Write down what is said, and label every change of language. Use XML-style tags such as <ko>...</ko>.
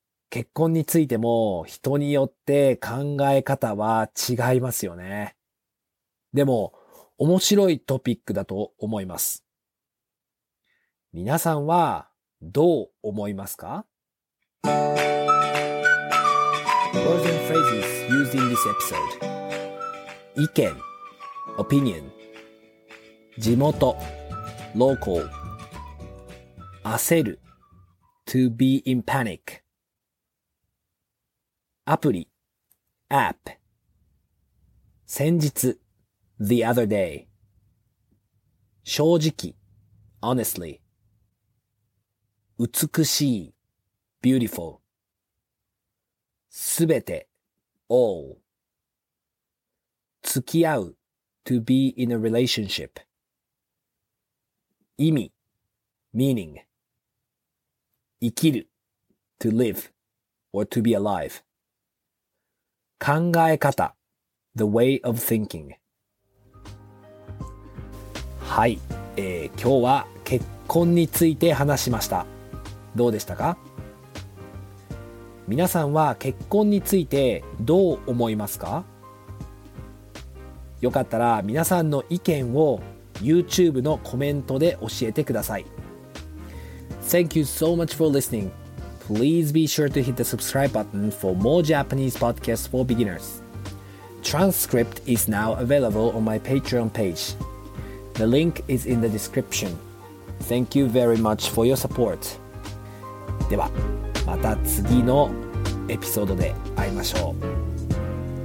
<ja>結婚についても人によって考え方は違いますよね。でも面白いトピックだと思います。皆さんはどう思いますか？</ja> <en>Words and phrases used in this episode. 意見、opinion. 地元 local 焦る to be in panic アプリ app 先日 the other day 正直 honestly 美しい beautiful すべて all 付き合う to be in a relationship 意味 meaning 生きる to live or to be alive 考え方 the way of thinking</en> <ja>はい、今日は結婚について話しました。どうでしたか？皆さんは結婚についてどう思いますか？よかったら皆さんの意見をYouTube のコメントで教えてください。</ja> <en>Thank you so much for listening. Please be sure to hit the subscribe button for more Japanese podcasts for beginners. Transcript is now available on my Patreon page. The link is in the description. Thank you very much for your support.</en> <ja>では、また次のエピソードで会いましょう。</ja>